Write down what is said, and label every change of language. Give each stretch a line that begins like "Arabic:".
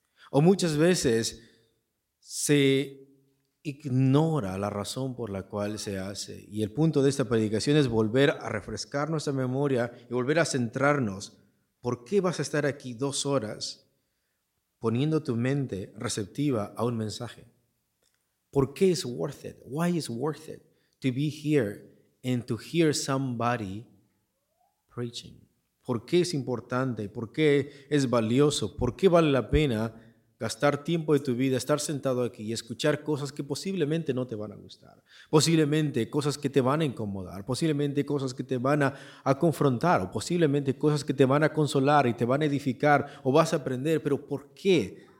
Spanish: O muchas veces se ignora la razón por la cual se hace. Y el punto de esta predicación es volver a refrescar nuestra memoria y volver a centrarnos. ¿Por qué vas a estar aquí 2 horas poniendo tu mente receptiva a un mensaje? ¿Por qué es
English: worth it? Why is worth it to be here and to hear somebody preaching?
Spanish: ¿Por qué es importante? ¿Por qué es valioso? ¿Por qué vale la pena gastar tiempo de tu vida, estar sentado aquí y escuchar cosas que posiblemente no te van a gustar, posiblemente cosas que te van a incomodar, posiblemente cosas que te van a confrontar o posiblemente cosas que te van a consolar y te van a edificar o vas a aprender? Pero ¿por qué?